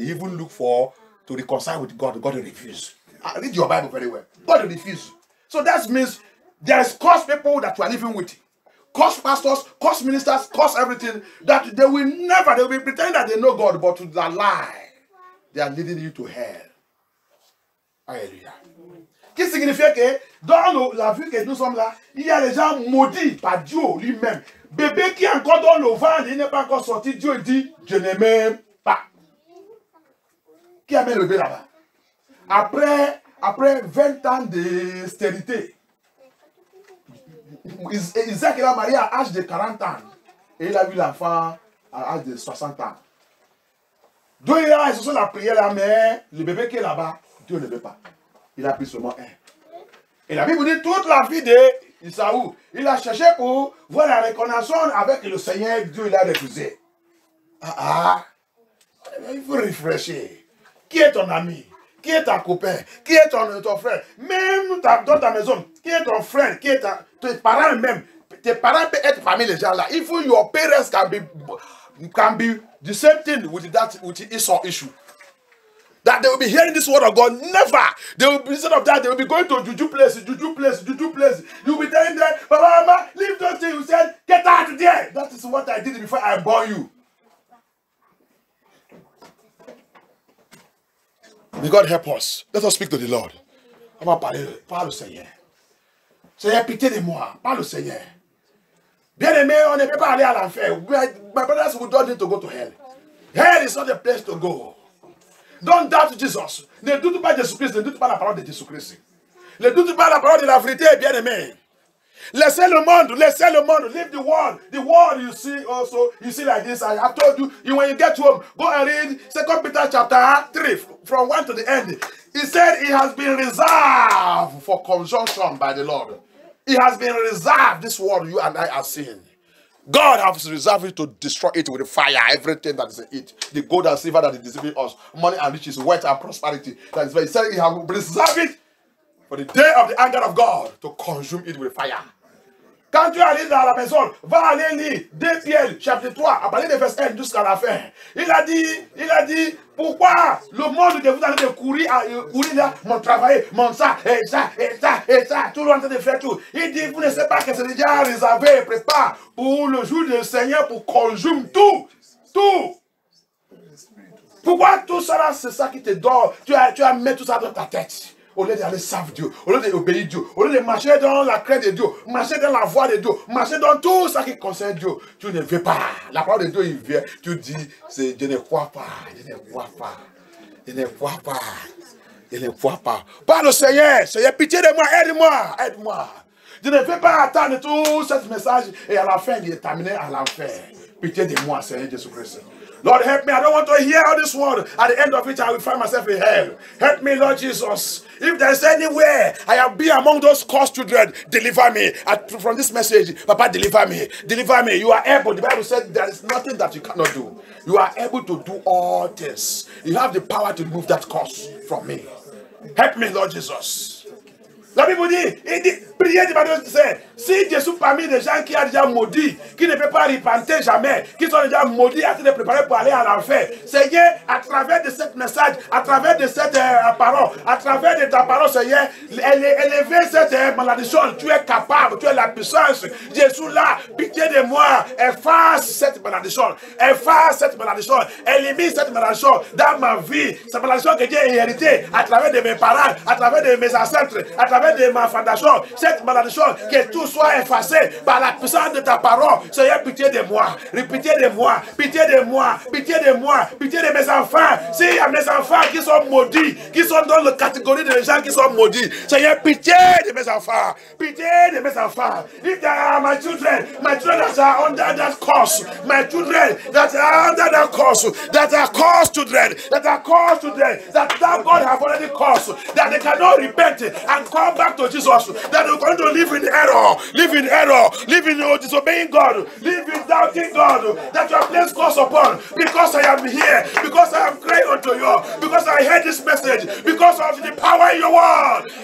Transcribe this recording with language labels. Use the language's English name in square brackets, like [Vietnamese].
[English] He even looked for to reconcile with God. God refused. I read your Bible very well. God refused. So that means there is cursed people that you are living with. Cursed pastors, cursed ministers, cursed everything. That they will pretend that they know God, but to the lie. They are leading you to hell. Hallelujah. [French] Qui signifie que dans la vie que nous sommes là, il y a des gens maudits par Dieu lui-même. Bébé qui est encore dans le ventre, il n'est pas encore sorti. Dieu dit, je ne m'aime pas. Qui a mis le bébé là-bas? Après 20 ans de stérilité, Isaac est marié à l'âge de 40 ans et il a vu l'enfant à l'âge de 60 ans. D'où il a, ils sont la prière là, mais le bébé qui est là-bas, Dieu ne veut pas. Il a pris seulement un. Et la Bible dit toute la vie de Esaü, il a cherché pour voir la reconnaissance avec le Seigneur, Dieu l'a refusé. Il faut réfléchir. Qui est ton ami? Qui est ta copain? Qui est ton frère? Même dans ta maison, qui est ton frère? Qui est tes parents même? Tes parents peuvent être parmi les gens là. Il faut que [English] your parents can be the same thing with that with Esau issue. That they will be hearing this word of God, never. They will be, instead of that, they will be going to juju place. You will be telling them, Baba, Mama, leave those things. You said, get out of there. That is what I did before I born you. May God help us. Let us speak to the Lord. [French] On va parler. Parle au Seigneur. Seigneur, pitié de moi. Parle au Seigneur. Bien aimé, on ne peut pas aller à l'enfer. [English] My brothers, we don't need to go to hell. Hell is not a place to go. Don't doubt Jesus. [French] Ne doute pas Jésus Christ. Ne doute pas la parole de Jésus Christ. Ne doute pas la parole de la vérité, bien aimé. Laissez le monde. Laissez le monde. [English] Leave the world. The world you see also. You see like this. I have told you. When you get home, go and read 2 Peter chapter 3. From 1 to the end. He said it has been reserved for conjunction by the Lord. It has been reserved. This world you and I have seen. God has reserved it to destroy it with fire, everything that is in it. The gold and silver that is deceiving us, money and riches, wealth and prosperity. That is why he said he has reserved it for the day of the anger of God to consume it with fire. [French] Quand tu arrives dans la maison, va aller lire 2 Pierre, chapitre 3, à partir de verset 1 jusqu'à la fin. Il a dit, pourquoi le monde de vous en train de courir là, mon travail, mon ça, et ça, et ça, et ça, tout le monde en train de faire tout. Il dit, vous ne savez pas que c'est déjà réservé, prépare pour le jour du Seigneur pour consumer tout. Pourquoi tout cela, c'est ça qui te dort? Tu as mis tout ça dans ta tête. Au lieu d'aller servir Dieu, au lieu d'obéir Dieu, au lieu de marcher dans la crainte de Dieu, marcher dans la voie de Dieu, marcher dans tout ce qui concerne Dieu, tu ne veux pas. La parole de Dieu, il vient, tu dis, c'est, je ne crois pas. Parle au Seigneur, Seigneur, pitié de moi, aide-moi. Je ne veux pas attendre tout ce message et à la fin, il est terminé à l'enfer. Pitié de moi, Seigneur Jésus-Christ. [English] Lord, help me. I don't want to hear all this word. At the end of it, I will find myself in hell. Help me, Lord Jesus. If there is anywhere I have been among those cursed children, deliver me. From this message, Papa, deliver me. Deliver me. You are able. The Bible said there is nothing that you cannot do. You are able to do all this. You have the power to remove that curse from me. Help me, Lord Jesus. [French] La Bible dit, il dit, priez de Dieu, c'est, si Jésus parmi les gens qui a déjà maudit, qui ne peut pas repentir jamais, qui sont déjà maudits, en train de préparer pour aller à l'enfer, Seigneur, à travers de cette message, à travers de cette parole, à travers de ta parole, Seigneur, élever cette malédiction, tu es capable, tu es la puissance, Jésus là, pitié de moi, efface cette malédiction, élimine cette malédiction dans ma vie, cette malédiction que j'ai héritée à travers de mes parents, à travers de mes ancêtres, à travers de ma fondation, cette malédiction, que tout soit effacé par la puissance de ta parole. Seigneur, pitié de moi. Pitié de moi. Pitié de mes enfants. S'il y a mes enfants qui sont maudits, qui sont dans la catégorie des gens qui sont maudits. Seigneur, pitié de mes enfants. Pitié de mes enfants. [English] If there are my children that are under that curse. My children that are under that curse. That are cursed children. That God have already cursed. That they cannot repent and come back to Jesus. That they're going to live in error, disobeying God, live in doubting God, that you have placed curse upon, because I am here, because I am crying unto you, because I heard this message, because of the power in your word.